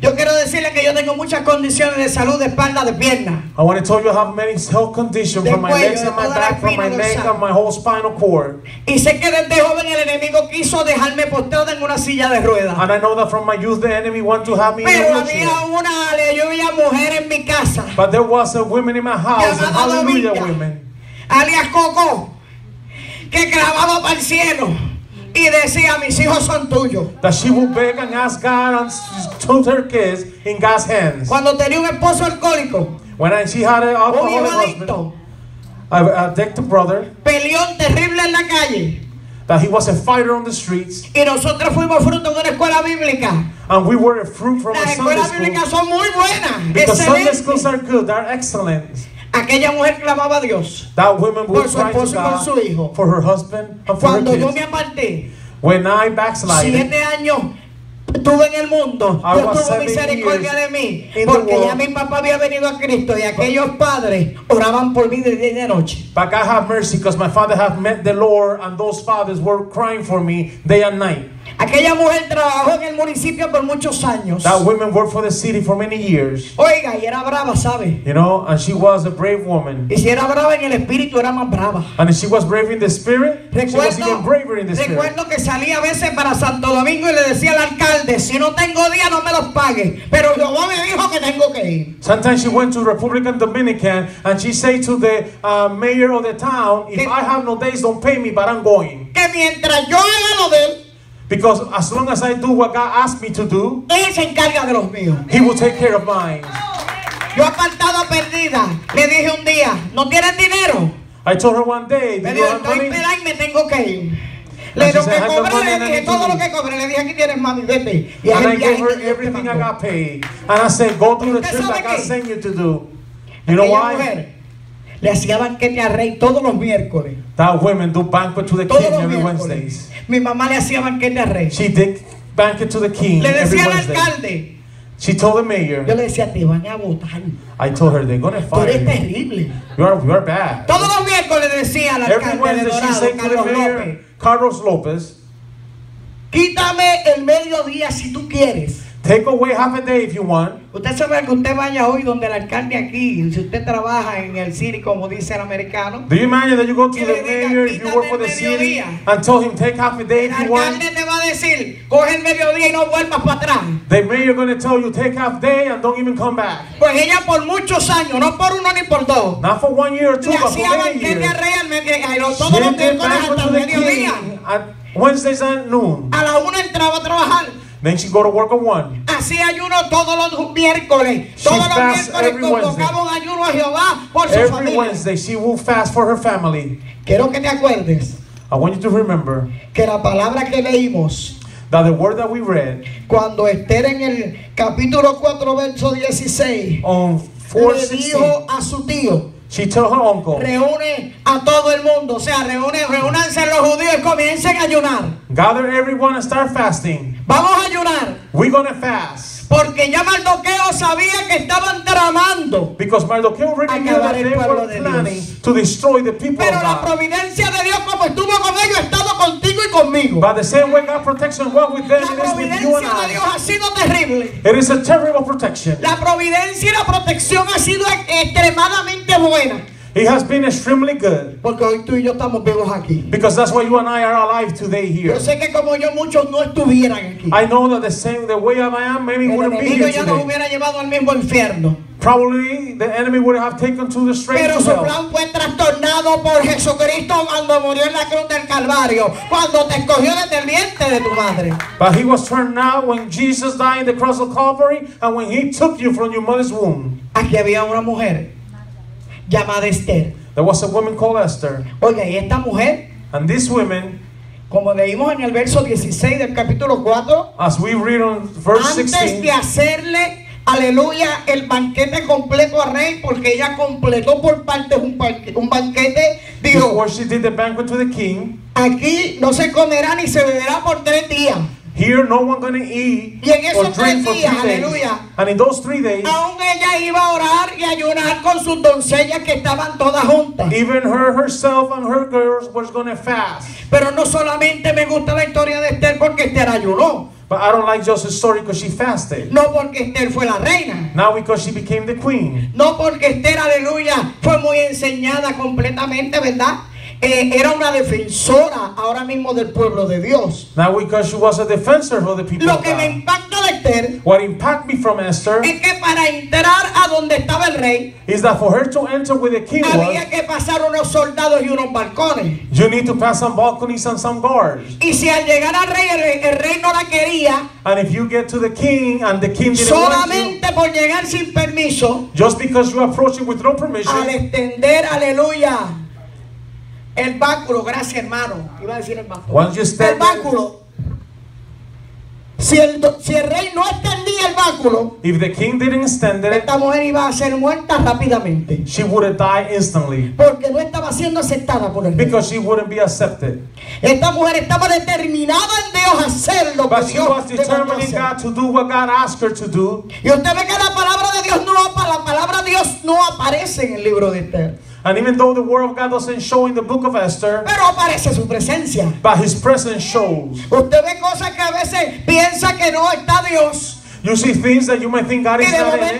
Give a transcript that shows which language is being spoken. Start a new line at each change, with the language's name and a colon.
Spanish: Yo quiero decirle que yo tengo muchas condiciones de salud de espalda, de pierna.
English: I want to tell you I have many health conditions from my legs and my back, from my neck and my whole spinal cord.
Spanish: Y sé que desde joven el enemigo quiso dejarme postrado en una silla de ruedas.
English: And I know that from my youth the enemy wanted to have me
Spanish: pero
English: in a wheelchair.
Spanish: Pero había una aleluya mujer en mi casa.
English: But there was a woman in my house, hallelujah women.
Spanish: Alias Coco, que clamaba para el cielo. Y decía, mis hijos son tuyos.
English: That she would beg and ask God and told her kids in God's hands.
Spanish: Cuando tenía un esposo alcohólico.
English: When she had an alcoholic husband. An addicted brother.
Spanish: Peleón terrible en la calle.
English: That he was a fighter on the streets.
Spanish: Y nosotros fuimos fruto de una escuela bíblica.
English: And we were a fruit from
Spanish: las
English: a Sunday
Spanish: escuelas
English: school.
Spanish: Bíblicas son muy buenas.
English: Because
Spanish: excelente.
English: Sunday schools are good, they're excellent.
Spanish: Aquella mujer clamaba a Dios
English: that woman
Spanish: por su esposo y por su hijo.
English: For her husband and for
Spanish: cuando
English: her
Spanish: yo me aparté,
English: when I backslided,
Spanish: 7 años estuve en el mundo, Dios tuvo misericordia de mí, porque ya mi papá había venido a Cristo y aquellos padres oraban por mí de día y de noche.
English: But God have mercy, because my father had met the Lord and those fathers were crying for me day and night.
Spanish: Aquella mujer trabajó en el municipio por muchos años.
English: That woman worked for the city for many years.
Spanish: Oiga, y era brava, ¿sabe?
English: You know, and she was a brave woman.
Spanish: Y si era brava en el espíritu, era más brava.
English: And if she was brave in the spirit,
Spanish: recuerdo,
English: she was even braver in the spirit.
Spanish: Recuerdo que salía a veces para Santo Domingo y le decía al alcalde, si no tengo día, no me los pague. Pero Jehová me dijo que tengo que ir.
English: Sometimes she went to Republican Dominican and she said to the mayor of the town, if que, I have no days, don't pay me, but I'm going.
Spanish: Que mientras yo haga lo de él,
English: because as long as I do what God asked me to do,
Spanish: él se encarga de los míos.
English: He will take care of mine.
Spanish: Yo apartado perdida. Le dije un día, no tienen dinero.
English: I told her one day, do you have money?
Spanish: Pero me tengo que ir. Le dije, que cobré, le dije todo lo que cobré. Le dije, aquí tienes, mami, vete.
English: Y and I gave her everything I got paid. And I said, go do the trip like I sent you to do. You know why?
Spanish: Le hacía banquete a Rey todos los miércoles.
English: That woman do banquet to the
Spanish: todos
English: king every Wednesdays.
Spanish: Mi mamá le hacía banquete a Rey.
English: She did banquet to the king
Spanish: le
English: every
Spanish: Wednesday. Le decía al alcalde.
English: She told the mayor.
Spanish: Yo le decía, te van a botar.
English: I told her they're going to fire
Spanish: tú eres
English: you.
Spanish: Terrible.
English: You are bad.
Spanish: Todos los miércoles decía al alcalde
English: every Wednesday
Spanish: de Dorado,
English: she said
Spanish: Carlos
English: to the mayor,
Spanish: Carlos López. Quítame el mediodía si tú quieres.
English: Take away half a day if you want.
Spanish: Usted sabe que usted vaya hoy donde el alcalde aquí, si usted trabaja en el city, como dice el americano.
English: Do you imagine that you go to the
Spanish: diga,
English: mayor if you work for the City and tell him take half a day if
Spanish: el
English: you want?
Spanish: El alcalde te va a decir, coge el mediodía y no vuelvas para atrás.
English: The mayor going to tell you take half a day and don't even come back.
Spanish: Pues ella por muchos años, no por uno ni por dos.
English: Not for one year or two,
Spanish: le
English: but for many
Spanish: years. Le hacía banquete al rey al mediodía.
English: She did banquet to the king at Wednesdays at noon.
Spanish: A la una entraba a trabajar.
English: Then she'd go to work at one.
Spanish: Así ayuno todos los miércoles. Todos los miércoles convocaba un ayuno a Jehová por su familia.
English: Every Wednesday she will fast for her family.
Spanish: Quiero que te acuerdes.
English: I want you to remember.
Spanish: Que la palabra que leímos.
English: That the word that we read.
Spanish: Cuando Esther en el capítulo 4 verso 16.
English: On 4:16.
Spanish: Le dijo a su tío.
English: She told her uncle.
Spanish: Reúne a todo el mundo. O sea, reúnanse los judíos y comiencen a ayunar.
English: Gather everyone and start fasting.
Spanish: Vamos a ayunar.
English: We're gonna fast.
Spanish: Porque ya Mardoqueo sabía que estaban tramando.
English: Because Mardoqueo recognized that they were planning to destroy the people
Spanish: pero
English: of God.
Spanish: Pero la providencia de Dios como estuvo con ellos ha estado contigo y conmigo.
English: By the same way God protects and works with them,
Spanish: la providencia de Dios ha sido terrible.
English: It is a terrible protection.
Spanish: La providencia y la protección ha sido extremadamente buena.
English: He has been extremely good.
Spanish: Porque hoy tú y yo estamos vivos aquí.
English: Because that's why you and I are alive today here.
Spanish: Yo sé que como yo muchos no estuvieran aquí.
English: I know that the way I am, maybe
Spanish: pero
English: wouldn't be here
Spanish: ya
English: today.
Spanish: Nos hubiera llevado al mismo infierno.
English: Probably the enemy would have taken to the straight
Spanish: pero su plan fue trastornado por Jesucristo cuando murió en la cruz del Calvario, cuando te escogió desde el vientre de tu madre.
English: But he was turned now when Jesus died in the cross of Calvary and when he took you from your mother's womb.
Spanish: Aquí había una mujer llamada Esther.
English: There was a woman called Esther.
Spanish: Oiga, y esta mujer,
English: and this woman,
Spanish: como leímos en el verso 16 del capítulo 4,
English: as we read on verse 16,
Spanish: antes de hacerle, aleluya, el banquete completo al rey, porque ella completó por parte un banquete, dijo,
English: before she did the banquet to the king,
Spanish: aquí no se comerá ni se beberá por tres días.
English: Here no one gonna eat
Spanish: y en esos
English: or drink
Spanish: tres días, aleluya.
English: And in those 3 days,
Spanish: aún ella iba a orar y ayunar con sus doncellas que estaban todas juntas.
English: Even her herself and her girls was gonna fast.
Spanish: Pero no solamente me gusta la historia de Esther porque Esther ayunó.
English: But I don't like Joseph's story because she fasted.
Spanish: No porque Esther fue la reina.
English: Not because she became the queen.
Spanish: No porque Esther, aleluya, fue muy enseñada completamente, ¿verdad? Era una defensora ahora mismo del pueblo de Dios.
English: Now because she was a defender for the people.
Spanish: Lo que me impactó de Esther.
English: What impacted me from Esther.
Spanish: Es que para entrar a donde estaba el rey.
English: Is that for her to enter with the king.
Spanish: Había
English: was,
Spanish: que pasar unos soldados y unos balcones.
English: You need to pass some balconies and some guards.
Spanish: Y si al llegar al rey el rey no la quería.
English: And if you get to the king and the king didn't
Spanish: solamente
English: want
Spanish: you, por llegar sin permiso.
English: Just because you approach him with no permission.
Spanish: Al extender, aleluya. El báculo, gracias hermano. Iba a decir el báculo.
English: Once you stand
Spanish: el báculo. Si el rey no extendía el báculo,
English: if the king didn't extend it,
Spanish: esta mujer iba a ser muerta rápidamente.
English: She would have died instantly.
Spanish: Porque no estaba siendo aceptada por el rey.
English: Because she wouldn't be accepted.
Spanish: Esta mujer estaba determinada en Dios a hacer lo
English: but
Spanish: que Dios
English: she was determined in God to do what God asked her to do.
Spanish: Y usted ve que la palabra de Dios no la palabra de Dios no aparece en el libro de Esther.
English: And even though the word of God doesn't show in the book of Esther,
Spanish: pero aparece su presencia.
English: But his presence shows.
Spanish: Usted ve cosas que a veces piensa que no está Dios.
English: You see things that you might think God is not in it.